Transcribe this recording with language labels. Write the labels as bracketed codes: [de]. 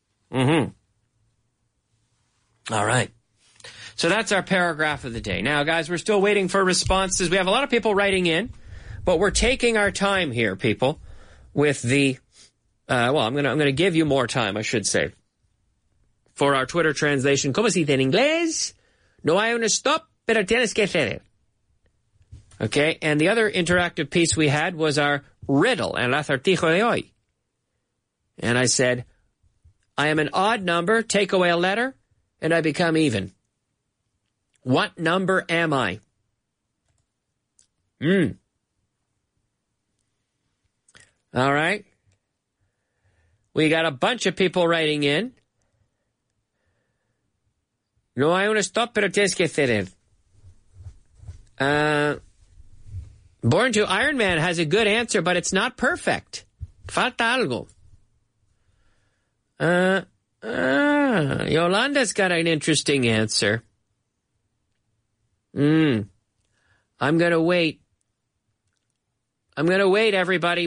[en] Mm-hmm. All right. So that's our paragraph of the day. Now, guys, we're still waiting for responses. We have a lot of people writing in, but we're taking our time here, people, with the, I'm going to give you more time, I should say, for our Twitter translation. [es] ¿Cómo se dice en inglés? No hay un stop, pero tienes que hacer. [en] Okay. And the other interactive piece we had was our riddle and [es] el acertijo de hoy. [en] And I said, I am an odd number, take away a letter, and I become even. What number am I? All right. We got a bunch of people writing in. [es] No hay un stop, pero tienes que hacer. [en] Born to Iron Man has a good answer, but it's not perfect. [es] Falta algo. [en] Yolanda's got an interesting answer. I'm going to wait, everybody.